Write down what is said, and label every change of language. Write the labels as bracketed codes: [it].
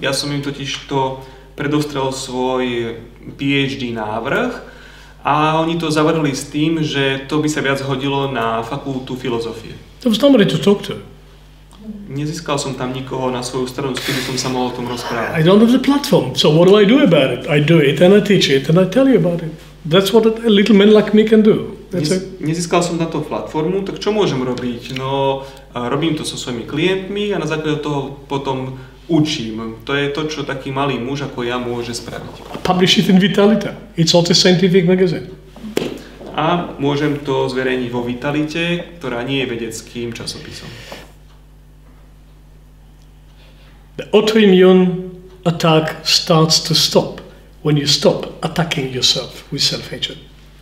[sk] Ja som im totiž to predostrel svoj PhD návrh a oni to zavrhli s tým, že to by sa viac hodilo na fakultu filozofie. [en] To was nobody to talk to. [sk] Nezískal som tam nikoho na svoju stranu, s kým som sa mohol o tom rozprávať. [en] I don't have the platform, so what do I do about it? I do it and I teach it and I tell you about it. That's what a little man like me can do. [sk] Nezískal som na to platformu, tak čo môžem robiť? No, robím to so svojimi klientmi a na základe toho potom učím. To je to, čo taký malý muž ako ja môže spraviť. [en] Publish it in Vitalita. It's also a scientific magazine. [sk] A môžem to zverejniť vo Vitalite, ktorá nie je vedeckým časopisom. [en] The autoimmune attack starts to stop when you stop attacking yourself with self-hatred.